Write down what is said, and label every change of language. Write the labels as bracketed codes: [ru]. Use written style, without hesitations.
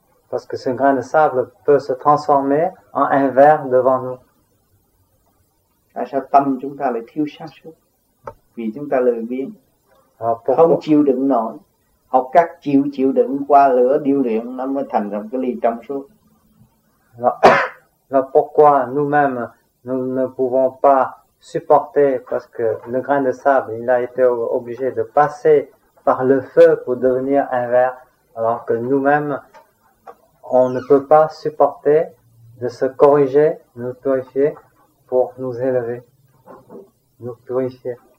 [fr] Parce que ce grain de sable peut se transformer en un verre devant nous. [vi] Tại sao tâm chúng ta lại thiếu sáng suốt? Vì chúng ta lười biếng, không chịu đựng nổi. Học cách chịu đựng qua lửa điều luyện nó mới thành ra một cái ly trong suốt. [fr] Là pourquoi nous-mêmes nous ne pouvons pas supporter parce que le grain de sable il a été obligé de passer par le feu pour devenir un verre, alors que nous-mêmes on ne peut pas supporter de se corriger, nous purifier pour nous élever, nous purifier.